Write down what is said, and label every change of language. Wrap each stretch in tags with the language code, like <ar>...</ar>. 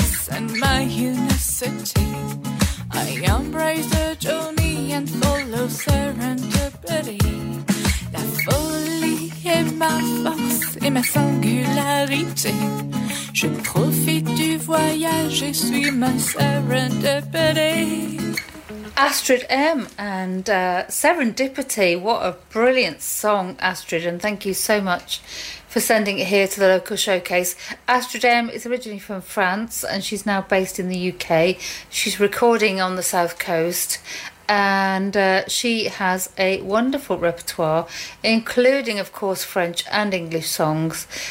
<en>And my unicity, I embrace the journey and follow serendipity.</en> <fr>La folie est ma force et ma singularité. Je profite du voyage et suis ma serendipity.</fr> <en>Astrid M and Serendipity. What a brilliant song, Astrid, and thank you so much for sending it here to the local showcase. Astrid M is originally from France and she's now based in the UK. She's recording on the South Coast and she has a wonderful repertoire, including, of course, French and English songs.</en>